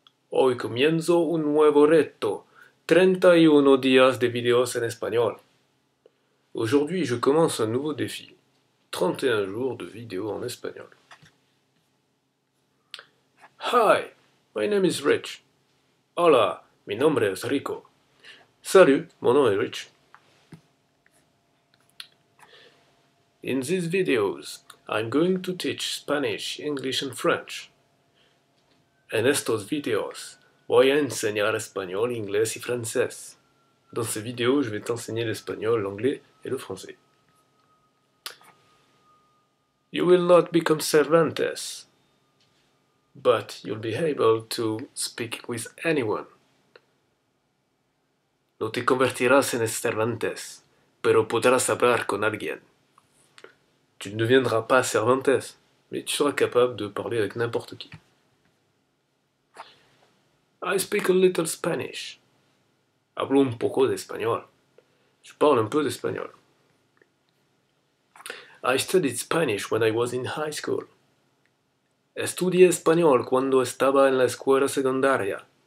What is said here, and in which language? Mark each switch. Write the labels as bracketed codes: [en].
[es] Hoy comienzo un nuevo reto, 31 días de videos en español. [fr] Aujourd'hui, je commence un nouveau défi, 31 jours de vidéos en espagnol. [en] Hi, my name is Rich. [es] Hola, mi nombre es Rico. [fr] Salut, mon nom est Rich. [en] In these videos, I'm going to teach Spanish, English and French. [es] En estos videos, voy a enseñar español, inglés y francés. [fr] Dans ces vidéos, je vais t'enseigner l'espagnol, l'anglais et le français. [en] You will not become Cervantes, but you'll be able to speak with anyone. [es] No te convertirás en Cervantes, pero podrás hablar con alguien. [fr] Tu ne deviendras pas Cervantes, mais tu seras capable de parler avec n'importe qui. [en] I speak a little Spanish. [es] Hablo un poco de español. [fr] Je parle un peu d'espagnol. [en] I studied Spanish when I was in high school. [es] Estudié español cuando estaba en la escuela secundaria.